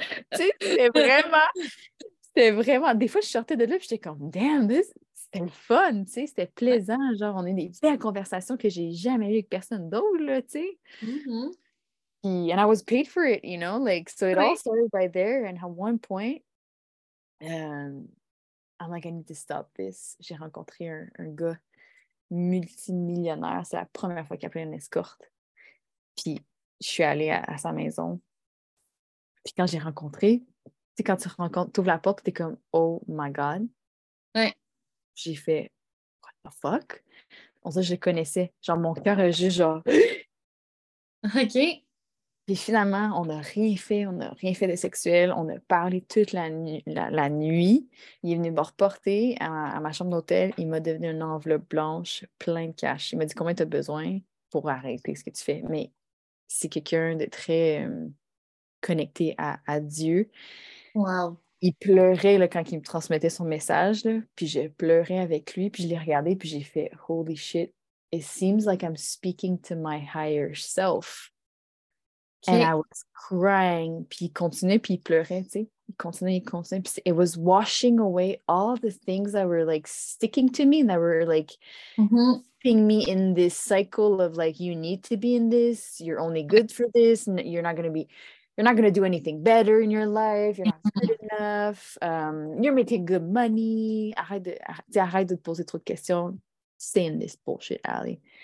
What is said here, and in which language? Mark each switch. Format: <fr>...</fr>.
<fr>Tu sais, c'était vraiment, des fois, je sortais de là, puis j'étais comme,</fr> <en>damn, this...</en> <fr>c'était fun, tu sais, c'était plaisant, genre, on a des belles conversations que j'ai jamais eues avec personne d'autre, là, tu sais. Mm-hmm.</fr> <en>And I was paid for it, you know, like, so it all started right there, and at one point, I'm like, I need to stop this.</en> <fr>J'ai rencontré un gars multimillionnaire, c'est la première fois qu'il a pris une escorte, puis je suis allée à sa maison. Puis quand j'ai rencontré, tu sais, quand tu rencontres, tu ouvres la porte et t'es comme,</fr> <en>oh my God. Ouais.</en> <fr>J'ai fait,</fr> <en>what the fuck?</en> <fr>On dirait que je le connaissais. Genre, mon cœur a juste genre. OK. Puis finalement, on n'a rien fait. On n'a rien fait de sexuel. On a parlé toute la nuit. Il est venu me reporter à ma chambre d'hôtel. Il m'a donné une enveloppe blanche, plein de cash. Il m'a dit, combien tu as besoin pour arrêter ce que tu fais? Mais c'est quelqu'un de très. Connecté à Dieu. Wow. Il pleurait là, quand il me transmettait son message. Là, puis je pleurais avec lui, puis je l'ai regardé, puis j'ai fait «</fr> <en>Holy shit, it seems like I'm speaking to my higher self. Okay. » And I was crying.</en> <fr>Puis il continuait, puis il pleurait, tu sais. Il continuait.</fr> <en>Puis it was washing away all the things that were like sticking to me, that were like... Mm-hmm. Me in this cycle of like, you need to be in this, you're only good for this, and you're not going to do anything better in your life, you're not good enough, you're making good money,</en> <fr>arrête de te poser trop de questions,</fr> <en>stay in this bullshit alley.</en>